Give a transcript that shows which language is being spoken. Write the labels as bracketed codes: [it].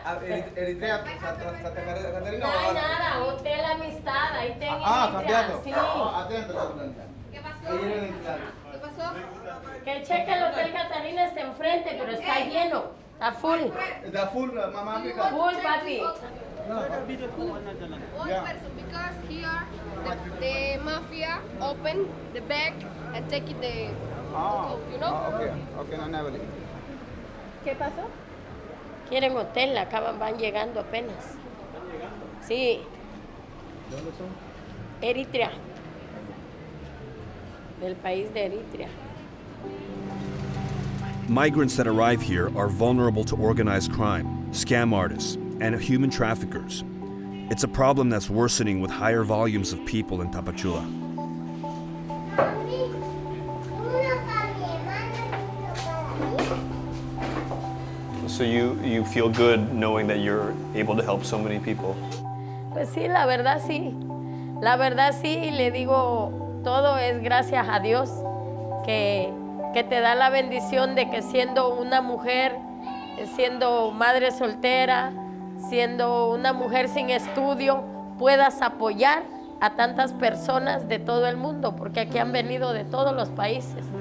[es] Amiga. No hay nada. Hotel Amistad. Ahí tengo. Ah, cambiando. Sí. Atento. Que cheque el Hotel Catalina, está enfrente, pero está lleno, está full. Está full, mamá. Full, papi. [en] Because here the mafia open the bag and take it the coat, you know? Okay, no, never leave. [es] ¿Qué pasó? Quieren hotel, acaban, van llegando apenas. ¿Están llegando? Sí. ¿Dónde son? Eritrea. Del país de Eritrea. [en] Migrants that arrive here are vulnerable to organized crime, scam artists, and human traffickers. It's a problem that's worsening with higher volumes of people in Tapachula. So you feel good knowing that you're able to help so many people? [es] Pues sí, la verdad sí. La verdad sí, y le digo, todo es gracias a Dios que te da la bendición de que siendo una mujer, siendo madre soltera, siendo una mujer sin estudio, puedas apoyar a tantas personas de todo el mundo, porque aquí han venido de todos los países.